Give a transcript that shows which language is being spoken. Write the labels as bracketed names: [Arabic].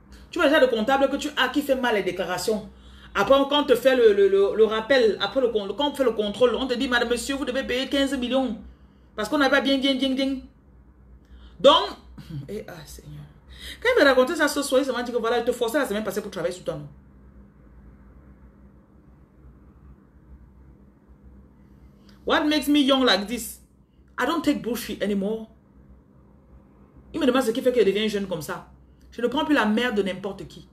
[French] Tu vois déjà le comptable que tu as qui fait mal les déclarations. Après, quand on te fait le rappel, après quand on fait le contrôle, on te dit, madame, monsieur, vous devez payer 15 millions parce qu'on n'a pas bien. Donc, et ah, Seigneur. Quand il m'a raconté ça ce soir, il m'a dit que voilà, il te forçait la semaine passée pour travailler sur ton nom. [English] What makes me young like this? I don't take bullshit anymore. [French] Il me demande ce qui fait qu'il devient jeune comme ça. Je ne prends plus la merde de n'importe qui.